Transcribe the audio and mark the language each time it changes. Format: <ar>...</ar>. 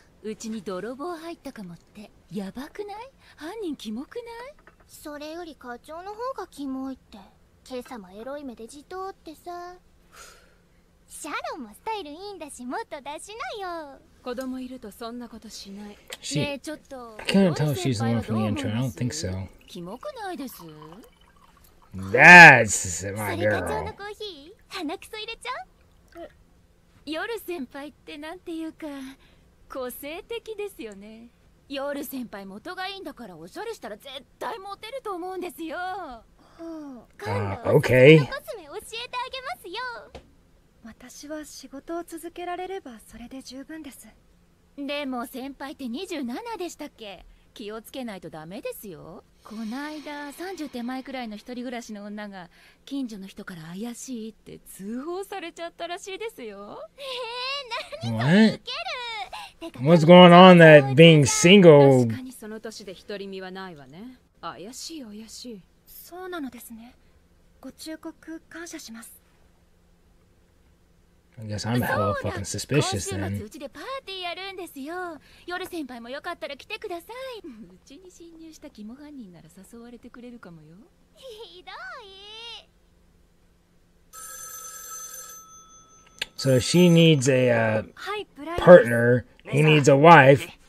<ja>うちに泥棒入ったかもって。やばくない？犯人キモくない？それより課長の方がキモいって。今朝もエロい目でじとってさ。シャロンもスタイルいいんだし、もっと出しなよ。子供いるとそんなことしない。ねえ、ちょっと。</ja> <en>I can't tell if she's the one from the intro. I don't think so.</en> <ja>キモくないです。</ja> <en>That's my girl.</en> <ja>それ課長のコーヒー？鼻くそ入れちゃう？夜先輩ってなんていうか、個性的ですよね。夜先輩元がいいんだからおしゃれしたら絶対モテると思うんですよ。</ja> <en>Okay.</en> <ja>コスメ教えてあげますよ。私は仕事を続けられればそれで十分です。でも先輩って27でしたっけ？気をつけないとダメですよ。こないだ30手前くらいの一人暮らしの女が近所の人から怪しいって通報されちゃったらしいですよ。何が受ける</ja> <en>？What's going on that being single?</en> <ja>確かにその年で独り身はないわね。怪しい怪しい。そうなのですね。ご忠告感謝します。</ja> <en>I guess I'm hella fucking suspicious then.</en> <ja>今週末うちでパーティーやるんですよ。夜先輩もよかったら来てください。うちに侵入した肝犯人なら誘われてくれるかもよ。ひどい。</ja> <en>So she needs a partner. He needs a wife.</en>